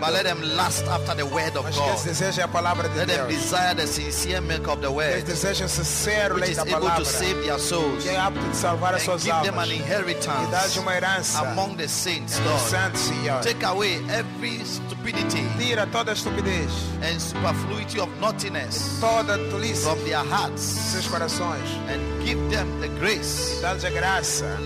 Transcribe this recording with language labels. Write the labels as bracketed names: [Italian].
[English] But let them lust after the word of God. [Portuguese] Mas que eles desejem a palavra de [English] let [Portuguese] Deus. [English] Let them desire the sincere milk of the word. [Portuguese] Que eles desejem o sincero leite da palavra. [English] Which is able to save their souls. [Portuguese] Que é apto de salvar as suas almas. [English] Give them an inheritance among the saints, Lord. Take away every stupidity. [Portuguese] Tira toda a estupidez. [English] And superfluity of naughtiness. [Portuguese] Toda a tolice. [English] From their hearts. [Portuguese] Seus corações. [English] And give them the grace. [Portuguese] Dá-lhes a graça.